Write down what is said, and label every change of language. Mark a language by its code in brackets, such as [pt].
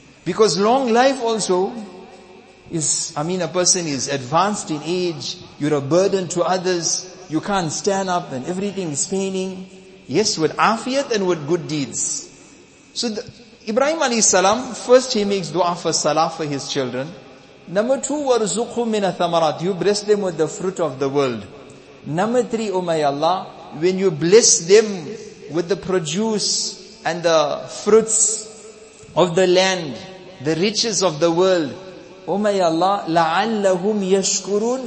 [en] Because long life also is, I mean, a person is advanced in age, you're a burden to others, you can't stand up and everything is paining. Yes, with afiat and with good deeds. So Ibrahim alayhi salam, first he makes dua for salah for his children. Number two, [ar] وَرْزُقْهُمْ مِنَ الثَّمَرَاتِ. [en] You bless them with the fruit of the world. Number three, O my Allah, when you bless them with the produce and the fruits of the land, the riches of the world, O my Allah, [ar] لَعَلَّهُمْ يَشْكُرُونَ.